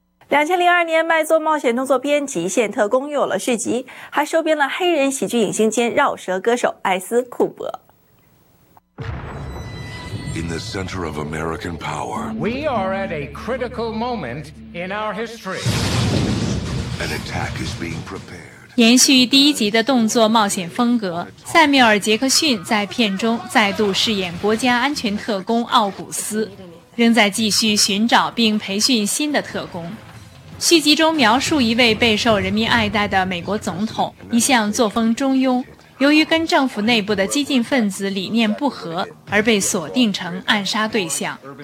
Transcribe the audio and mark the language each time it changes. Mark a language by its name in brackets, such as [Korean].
[Chinese] 2002年卖座冒险动作片《极限特工》又有了续集，还收编了黑人喜剧影星兼饶舌歌手艾斯·库珀。 [English] In the center of American power, we are at a critical moment in our history. An attack is being prepared. [Chinese] 延续第一集的动作冒险风格，塞缪尔·杰克逊在片中再度饰演国家安全特工奥古斯，仍在继续寻找并培训新的特工。续集中描述一位备受人民爱戴的美国总统，一向作风中庸，由于跟政府内部的激进分子理念不合而被锁定成暗杀对象。